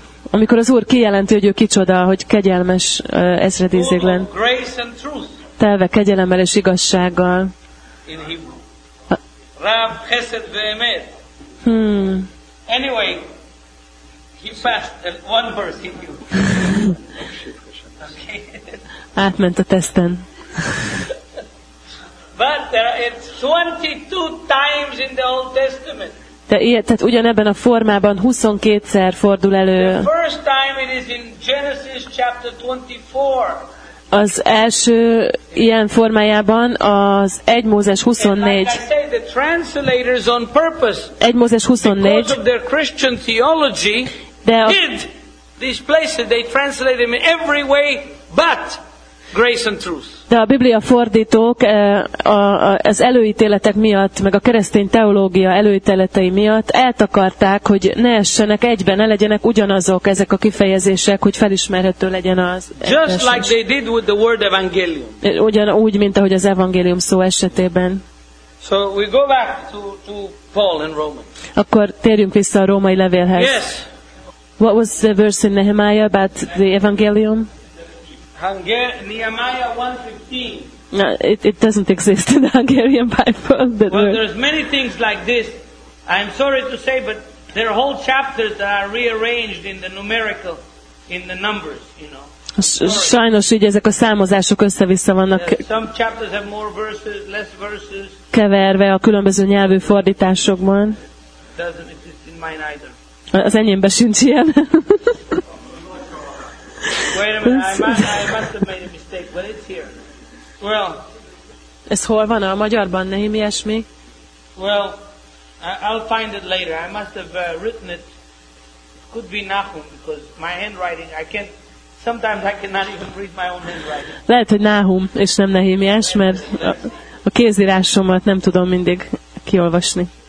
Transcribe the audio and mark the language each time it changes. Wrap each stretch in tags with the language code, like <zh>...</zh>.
<hu>Amikor az Úr kijelenti, hogy ő kicsoda, hogy kegyelmes ezredéziglen. Telve kegyelemmel és igazsággal.</hu> <he>Rav chesed ve'emet.</he> <en>Anyway, he passed at one verse.</en> <hu>Átment a teszten.</hu> <en>But there are 22 times in the Old Testament.</en> <hu>De ilyet, tehát ugyanebben a formában 22-szer fordul elő.</hu> <en>The first time it is in Genesis chapter 24.</en> <hu>Az első ilyen formájában az 1 Mózes 24.</hu> <en>And like I say, the translators on purpose.</en> <hu>1 Mózes 24.</hu> <en>Because of their Christian theology. Did these places they translate them in every way but grace and truth.</en> <hu>De a Biblia fordítók az előítéletek miatt, meg a keresztény teológia előítéletei miatt eltakarták, hogy ne essenek egyben, ne legyenek ugyanazok ezek a kifejezések, hogy felismerhető legyen az.</hu> <en>Just like they did with the word evangelium.</en> <hu>Ugyanúgy, mint ahogy az evangélium szó esetében.</hu> <en>So we go back to Paul in Romans.</en> <hu>Akkor térjünk vissza a római levélhez.</hu> <en>Yes. What was the verse in Nehemiah about the evangelium? Nehemiah 1:15. No, it doesn't exist in the Hungarian Bible. Well, word. There's many things like this. I'm sorry to say, but there are whole chapters that are rearranged in the numerical, in the numbers, you know.</en> <hu>Sajnos így ezek a számozások össze-vissza vannak.</hu> <en>Some chapters have more verses, less verses.</en> <hu>Keverve a különböző nyelvű fordításokban.</hu> <en>Doesn't exist in mine either.</en> <hu>Az enyémben sincs ilyen.</hu> <en>Wait a minute, I must have made a mistake, but it's here. Well,</en> <hu>ez hol van a magyarban, Nehémi esmi?</hu> <en>Well, I'll find it later. I must have written it. It could be Nahum, because my handwriting, sometimes I cannot even read my own handwriting.</en> <hu>Lehet, hogy Nahum, és nem Nehémi es, mert a kézírásomat nem tudom mindig kiolvasni.</hu>